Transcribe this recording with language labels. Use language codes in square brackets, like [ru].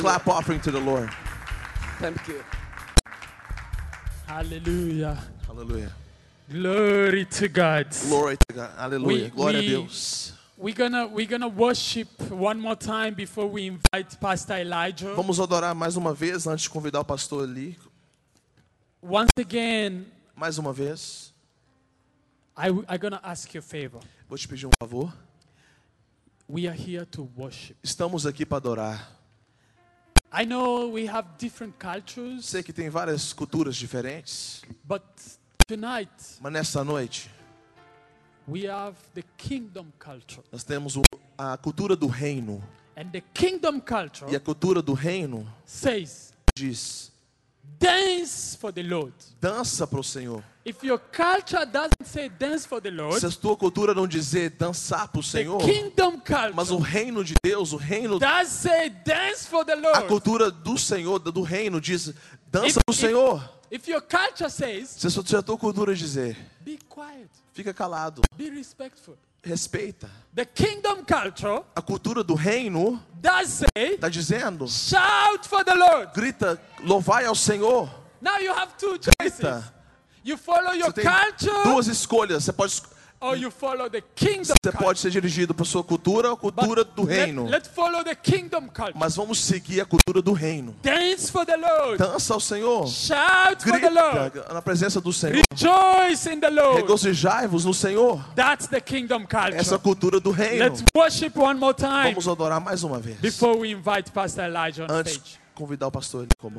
[en] Clap offering to the Lord. Thank you. Hallelujah. Hallelujah. Glory to God. Glory to God. Hallelujah. Glory to Deus. We're gonna worship one more time before we invite Pastor Elijah. [pt] Vamos adorar mais uma vez antes de convidar o pastor Eli. [en] Once again, [pt] mais uma vez, [en] I'm gonna ask you a favor. [pt] Vou te pedir um favor. [en] We are here to worship. [pt] Estamos aqui para adorar. [en] I know we have different cultures. [pt] Sei que tem várias culturas diferentes. [en] But tonight, [pt] mas nesta noite, [en] we have the kingdom culture. [pt] Nós temos a cultura do reino. [en] And the kingdom culture. [pt] E a cultura do reino [en] says, [pt] diz, [en] dance for the Lord. [pt] Dança para o Senhor. [en] If your culture doesn't say dance for the Lord, [pt] se a tua cultura não dizer dançar para o Senhor, [en] the kingdom culture, [pt] mas o reino de Deus, o reino [en] does say dance for the Lord. [pt] A cultura do Senhor, do reino diz dança para o Senhor. [en] If your culture says, [pt] se a tua cultura dizer, [en] be quiet, [pt] fica calado, [en] be respectful, [pt] respeita. [en] The kingdom culture, [pt] a cultura do reino, [en] does say, [pt] tá dizendo, [en] shout for the Lord, [pt] grita, louvai ao Senhor. [en] Now you have two choices. You follow your culture. [pt] Duas escolhas. Você pode. [en] Or you follow the kingdom culture. [pt] Você pode ser dirigido para sua cultura ou cultura do reino. [en] Let follow the kingdom culture. [pt] Mas vamos seguir a cultura do reino. [en] Dance for the Lord. [pt] Dança ao Senhor. [en] Shout for the Lord. [pt] Na presença do Senhor. [en] Rejoice in the Lord. [pt] Regozijai-vos no Senhor. [en] That's the kingdom culture. [pt] Essa cultura do reino. [en] Let's worship one more time. [pt] Vamos adorar mais uma vez. [en] Before we invite Pastor Elijah on stage. [pt] Convidar o pastor ele como.